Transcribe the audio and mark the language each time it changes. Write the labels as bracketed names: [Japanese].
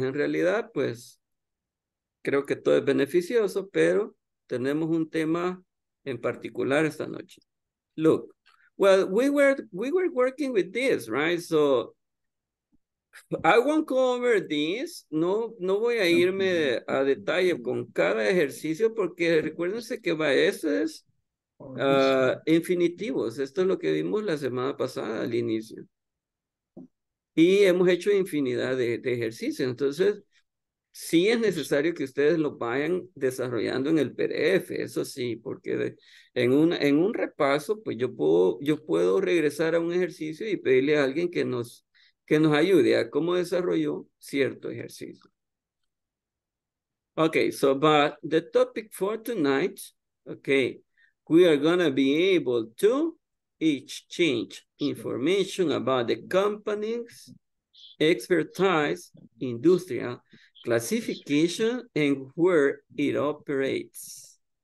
[Spanish] En realidad, pues, creo que todo es beneficioso, pero tenemos un tema en particular esta noche. [English] Look, well, we were working with this, right? So, I won't go over this. [Spanish] No voy a irme a detalle con cada ejercicio, porque recuérdense que va, este es... infinitivos, esto es lo que vimos la semana pasada al inicio y hemos hecho infinidad de ejercicios, entonces sí es necesario que ustedes lo vayan desarrollando en el PDF, eso sí, porque en un repaso pues yo puedo regresar a un ejercicio y pedirle a alguien que nos ayude a cómo desarrolló cierto ejercicio, [English] Okay, so but the topic for tonight, okay, we are gonna be able to exchange information about the companies, expertise, industrial classification, and where it operates.